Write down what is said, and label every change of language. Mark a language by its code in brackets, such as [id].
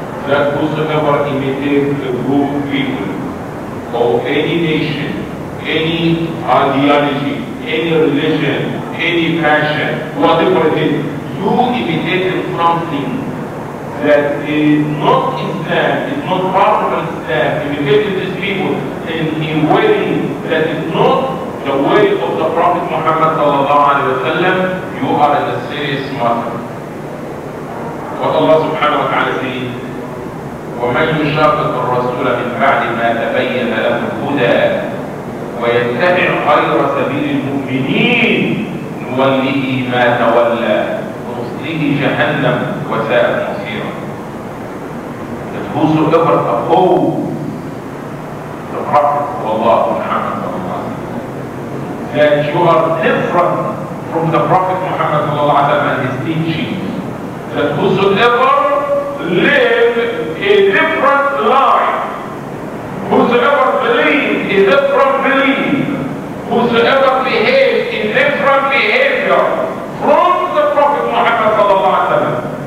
[en] That whosoever imitates the group of people of any nation, any ideology, any religion, any passion, whatever it is, you imitate something that is not Islam, is not part of Islam, imitating these people in a way that is not the way of the Prophet Muhammad sallallahu alaihi wasallam, you are in a serious matter. [ar] What Allah subhanahu wa ta'ala says, وَمَنْ يُشَاقِقُ الرَّسُولَ مِنْ بَعْدِ مَا تَبَيَّنَ لَهُ الْهُدَى وَيَتَّبِعْ غَيْرَ سَبِيلِ الْمُؤْمِنِينَ نُوَلِّهِ مَا تَوَلَّى وَنُصْلِهِ جَهَنَّمْ وَسَاءَتْ مَصِيرًا. [en] That whosoever opposes the Prophet of Allah Muhammad, that you are different from the Prophet Muhammad sallallahu alaihi wasallam and his teachings. That whosoever lives a different life, whosoever believes a different belief, whosoever behaves in different behavior from the Prophet Muhammad sallallahu alaihi wasallam,